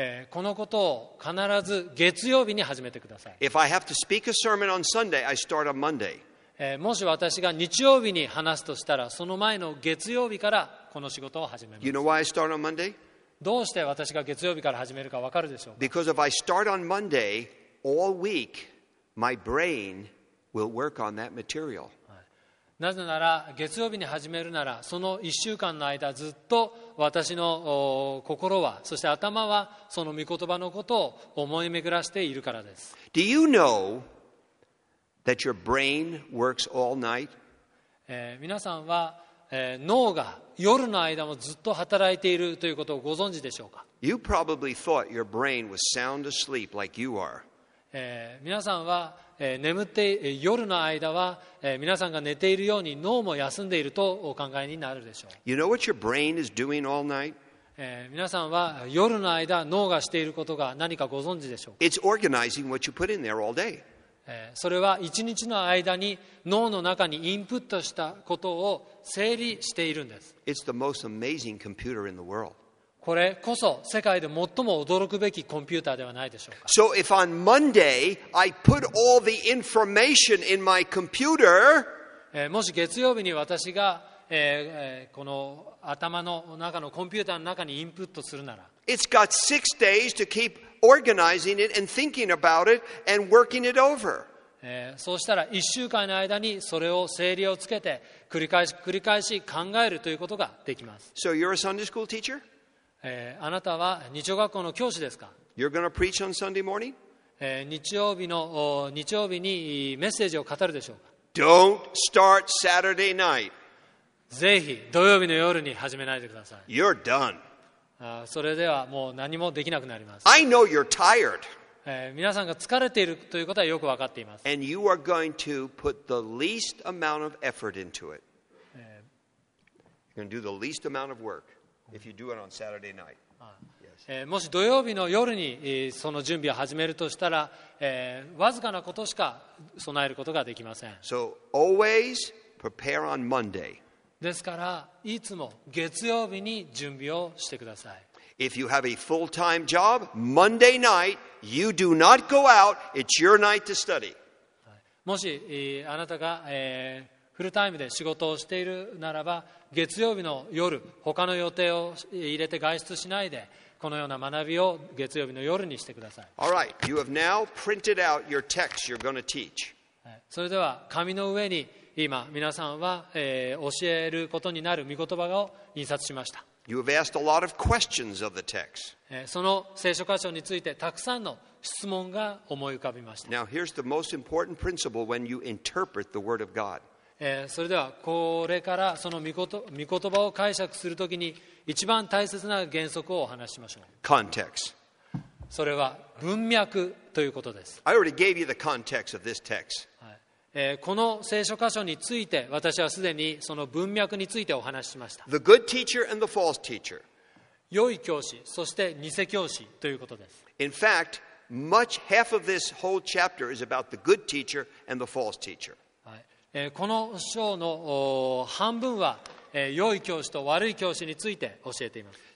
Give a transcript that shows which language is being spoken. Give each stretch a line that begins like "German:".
Japanese: このことを必ず月曜日に始めてください。
English: If I have to speak a sermon on Sunday, I start on Monday.
Japanese: もし私が日曜日に話すとしたらその前の月曜日からこの仕事を始めます。
English: You know why I start on Monday?
Japanese: どうして私が月曜日から始めるか分かるでしょうか。
English: Because if I start on Monday, all week, my brain will work on that material.
Japanese: なぜなら月曜日に始めるならその1週間の間ずっと私の心はそして頭はその御言葉のことを思い巡らしているからです。
English: Do you know that your brain works all night?
Japanese: 皆さんは脳が夜の間もずっと働いているということをご存知でしょうか。
English: You probably thought your brain was sound asleep like you are.
Japanese: 皆さんは眠って夜の間は皆さんが寝ているように脳も休んでいるとお考えになるでしょう。
English: You know what your brain is doing all night?
Japanese: 皆さんは夜の間脳がしていることが何かご存知でしょうか。
English: It's organizing what you put in there all day.
Japanese: それは一日の間に脳の中にインプットしたことを整理しているんです。
English: It's the most amazing computer in the world.
Japanese: これこそ世界で最も驚くべきコンピューターではないでしょうか。
English: So if on Monday I put all the information in my computer,
Japanese: もし月曜日に私がこの頭の中のコンピューターの中にインプットするなら、
English: It's got six days to keep organizing it and thinking about it and working it over.
Japanese: そうしたら1週間の間にそれを整理をつけて繰り返し繰り返し考えるということができます。
English: So you're a Sunday school teacher?
Japanese: あなたは日曜学校の教師ですか。
English: You're going to preach on Sunday morning?
Japanese: 日曜日にメッセージを語るでしょうか。
English: Don't start Saturday night.
Japanese: ぜひ土曜日の夜に始めないでください。
English: You're done.
Japanese: それではもう何もできなくなります。
English: I know you're tired.
Japanese: 皆さんが疲れているということはよく分かっています。
English: And you are going to put the least amount of effort into it. You're going to do the least amount of work. If you do it on Saturday night.
Japanese: もし土曜日の夜にその準備を始めるとしたら、わずかなことしか備えることができません。
English: So always prepare on Monday.
Japanese: ですからいつも月曜日に準備をしてください。
English: If you have a full-time job, Monday night, you do not go out. It's your night to study.
Japanese: もしあなたが、フルタイムで仕事をしているならば月曜日の夜他の予定を入れて外出しないでこのような学びを月曜日の夜にしてください。
English: All right. You have now printed out your text you're going to teach.
Japanese: それでは紙の上に今皆さんは教えることになる御言葉を印刷しました。
English: You have asked a lot of questions of the text.
Japanese: その聖書箇所についてたくさんの質問が思い浮かびました。
English: Now here's the most important principle when you interpret the word of God.
Japanese: それではこれからその御言葉を解釈するときに一番大切な原則をお話ししましょう。
English: Context.
Japanese: それは文脈ということです。
English: I already gave you the context of this text.
Japanese: この聖書箇所について私はすでにその文脈についてお話ししました。
English: The good teacher and the false teacher.
Japanese: 良い教師そして偽教師ということです。
English: In fact, much half of this whole chapter is about the good teacher and the false teacher.
Japanese: この章の半分は良い教師と悪い教師について教えています。